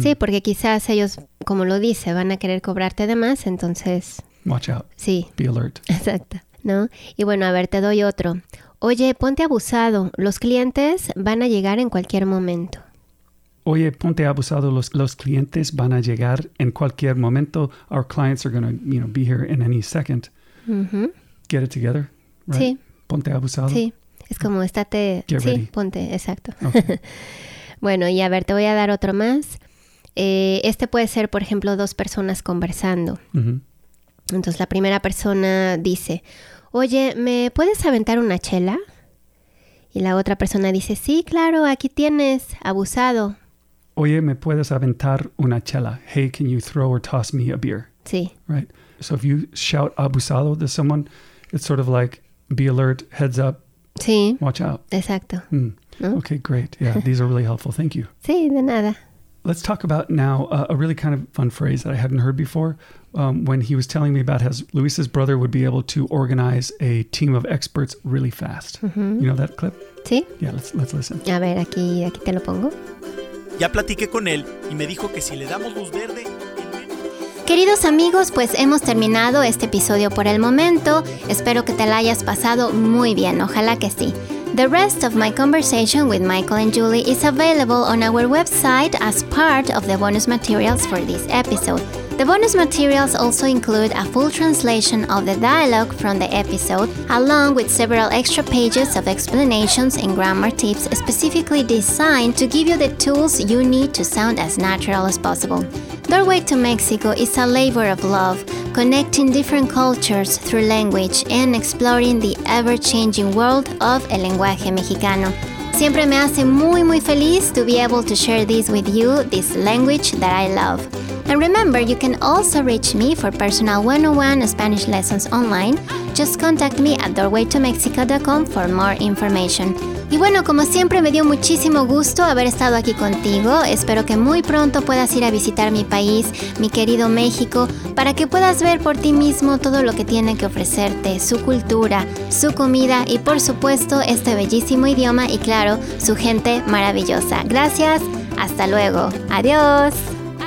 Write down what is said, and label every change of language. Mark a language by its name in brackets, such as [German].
[Spanish] Sí, porque quizás ellos, como lo dice, van a querer cobrarte de más, entonces... [English] Watch out. [Spanish] Sí. [English] Be alert. [Spanish] Exacto. ¿No? Y bueno, a ver, te doy otro. Oye, ponte abusado. Los clientes van a llegar en cualquier momento. Oye, ponte abusado, los clientes van a llegar en cualquier momento. [English] Our clients are going to, you know, be here in any second. Mm-hmm. Get it together, right? [Spanish] Sí. Ponte abusado. Sí, es como estate... [English] Get [Spanish] sí, [English] ready. [Spanish] Ponte, exacto. [English] Okay. [Spanish] Bueno, y a ver, te voy a dar otro más. Este puede ser, por ejemplo, dos personas conversando. Mm-hmm. Entonces, la primera persona dice, oye, ¿me puedes aventar una chela? Y la otra persona dice, sí, claro, aquí tienes, abusado. Oye, ¿me puedes aventar una chela? [English] Hey, can you throw or toss me a beer? [Spanish] Sí. [English] Right? So if you shout abusado to someone, it's sort of like, be alert, heads up. [Spanish] Sí. [English] Watch out. [Spanish] Exacto. [English] Mm. [Spanish] ¿No? [English] Okay, great. Yeah, these are really helpful. Thank you. [Spanish] Sí, de nada. [English] Let's talk about now a really kind of fun phrase that I hadn't heard before. When he was telling me about how Luis's brother would be able to organize a team of experts really fast. Mm-hmm. You know that clip? [Spanish] Sí. [English] Yeah, let's listen. [Spanish] A ver, aquí te lo pongo. Ya platiqué con él y me dijo que si le damos luz verde... Queridos amigos, pues hemos terminado este episodio por el momento. Espero que te la hayas pasado muy bien. Ojalá que sí. [English] The rest of my conversation with Michael and Julie is available on our website as part of the bonus materials for this episode. The bonus materials also include a full translation of the dialogue from the episode, along with several extra pages of explanations and grammar tips specifically designed to give you the tools you need to sound as natural as possible. Doorway to Mexico is a labor of love, connecting different cultures through language and exploring the ever-changing world of [Spanish] el lenguaje mexicano. Siempre me hace muy, muy feliz [English] to be able to share this with you, this language that I love. And remember, you can also reach me for personal 101 Spanish lessons online. Just contact me at doorwaytomexico.com for more information. [Spanish] Y bueno, como siempre, me dio muchísimo gusto haber estado aquí contigo. Espero que muy pronto puedas ir a visitar mi país, mi querido México, para que puedas ver por ti mismo todo lo que tiene que ofrecerte, su cultura, su comida y, por supuesto, este bellísimo idioma y, claro, su gente maravillosa. Gracias, hasta luego. Adiós.